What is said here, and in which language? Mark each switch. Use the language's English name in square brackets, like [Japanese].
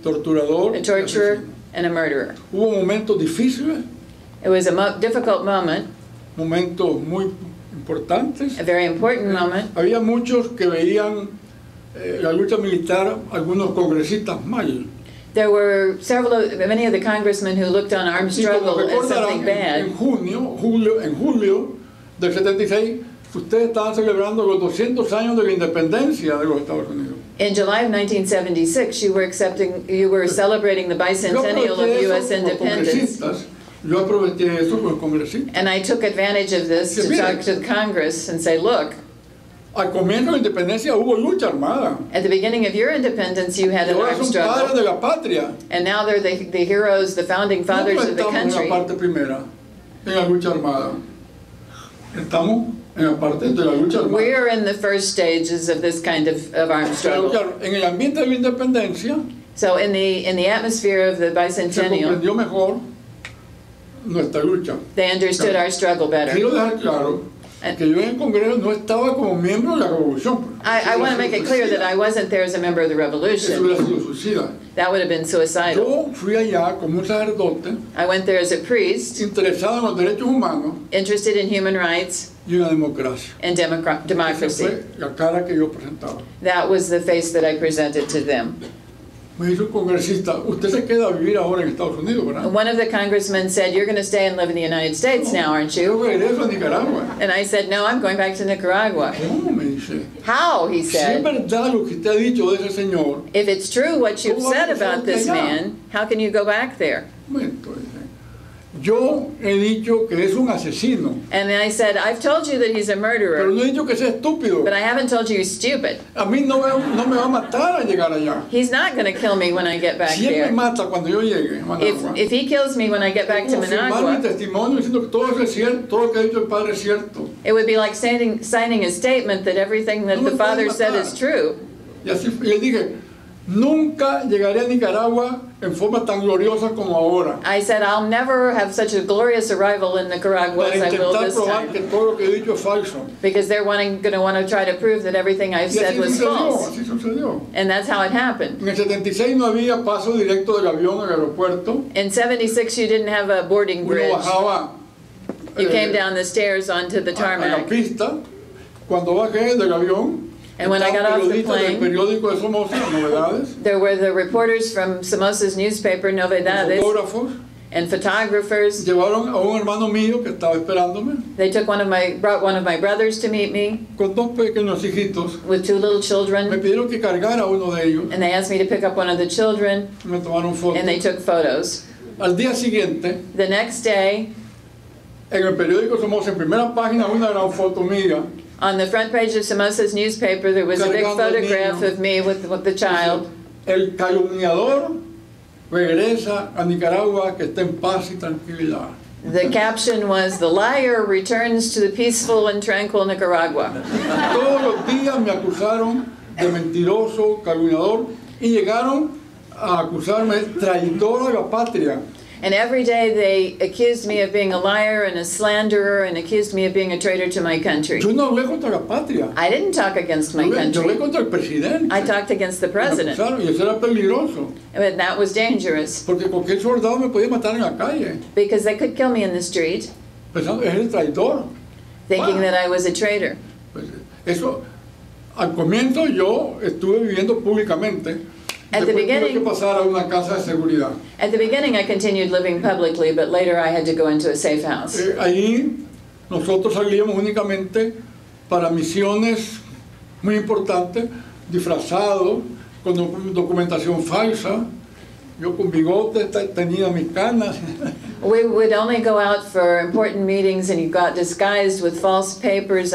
[Spanish] Torturador. [English] A torturer and a murderer. [Spanish] Hubo momentos difíciles. [English] It was a difficult moment. [Spanish] Momentos muy importantes. [English] A very important moment. [Spanish] Había muchos que veían la lucha militar algunos congresistas mal. [English] There were many of the congressmen who looked on armed struggle as something bad. [Spanish] En julio del 76, ustedes estaban celebrando los 200 años de la independencia de los Estados Unidos. [English] In July of 1976, you were celebrating the bicentennial of U.S. independence. [Spanish] Yo aproveché eso con los congresistas. [English] And I took advantage of this to talk to the Congress and say, look. [Spanish] Al comienzo de la independencia hubo lucha armada. [English] At the beginning of your independence, you had an armed struggle. [Spanish] Ahora son padres de la patria. [English] And now they're the heroes, the founding fathers of the country. [Spanish] Estamos en la parte primera, en la lucha armada. Estamos en la parte de la lucha armada. [English] We are in the first stages of this kind of armed struggle. [Spanish] En el ambiente de la independencia. [English] So in the atmosphere of the bicentennial. [Spanish] Se comprendió mejor nuestra lucha. [English] They understood our struggle better. [Spanish] Quiero dejar claro. [English] I want to make it clear that I wasn't there as a member of the revolution. That would have been suicidal. [Spanish] Yo fui allá como un sacerdote, [English] I went there as a priest, [Spanish] interesado en los derechos humanos, [English] interested in human rights [Spanish] y una democracia. [English] And democracy. [Spanish] Fue la cara que yo presentaba. [English] That was the face that I presented to them. [Spanish] Me dijo un congresista, usted se queda a vivir ahora en Estados Unidos, ¿verdad? [English] One of the congressmen said, you're going to stay and live in the United States now, aren't you? [Spanish] Yo regreso a Nicaragua. [English] And I said, no, I'm going back to Nicaragua. [Spanish] ¿Cómo? Me dice. [English] How? He said. [Spanish] Si es verdad lo que usted ha dicho de ese señor. [English] If it's true what you've said about this man, how can you go back there? [Spanish] Yo he dicho que es un asesino. [English] And I said, I've told you that he's a murderer. [Spanish] Pero no he dicho que sea estúpido. [English] But I haven't told you he's stupid. [Spanish] A mí no me va a matar al llegar allá. [English] He's not going to kill me when I get back [Spanish] si [English] there. [Spanish] Si él me mata cuando yo llegue a Managua. [English] If he kills me when I get back to Managua. [Spanish] Firmar mi testimonio diciendo que todo es cierto, todo lo que ha dicho el padre es cierto. [English] It would be like signing a statement that everything that [Spanish] no [English] the father said is true. [Spanish] Y él dije, nunca llegaré a Nicaragua en forma tan gloriosa como ahora. [English] I said, I'll never have such a glorious arrival in Nicaragua as I will this time. [Spanish] Para intentar probar que todo lo que he dicho es falso. [English] Because they're going to want to try to prove that everything I've said was false. [Spanish] Y así sucedió. [English] And that's how it happened. [Spanish] En el 76 no había paso directo del avión al aeropuerto. [English] In 76 you didn't have a boarding bridge. [Spanish] Uno bajaba. [English] You came down the stairs onto the tarmac. [Spanish] A la pista, cuando bajé del avión. [English] And when I got off the plane, there were the reporters from Somoza's newspaper, Novedades, and photographers. They took brought one of my brothers to meet me with two little children. And they asked me to pick up one of the children, and they took photos. The next day, [Spanish] en el periódico Somoza, en primera página, una gran foto mía. [English] On the front page of Somoza's newspaper, there was a big photograph of me with the child. [Spanish] El calumniador regresa a Nicaragua que está en paz y tranquilidad. [English] The caption was, the liar returns to the peaceful and tranquil Nicaragua. [Spanish] Todos los días me acusaron de mentiroso, calumniador, y llegaron a acusarme de traidor a la patria. [English] And every day they accused me of being a liar and a slanderer and accused me of being a traitor to my country. [Spanish] Yo no hablé contra la patria. [English] I didn't talk against my country. [Spanish] Yo hablé contra el presidente. [English] I talked against the president. [Spanish] Me acusaron, y eso era peligroso. [English] And that was dangerous. [Spanish] Porque cualquier soldado me podía matar en la calle. [English] Because they could kill me in the street. [Spanish] Pensando, es el traidor. [English] Thinking that I was a traitor. [Spanish] Pues eso, al comienzo yo estuve viviendo públicamente. [English] At the beginning, I continued living publicly, but later I had to go into a safe house. [Spanish] Ahí nosotros salíamos únicamente para misiones muy importantes, disfrazados, con documentación falsa. Yo con bigote tenía mis canas. We would only go out for important meetings, and you got disguised with false papers.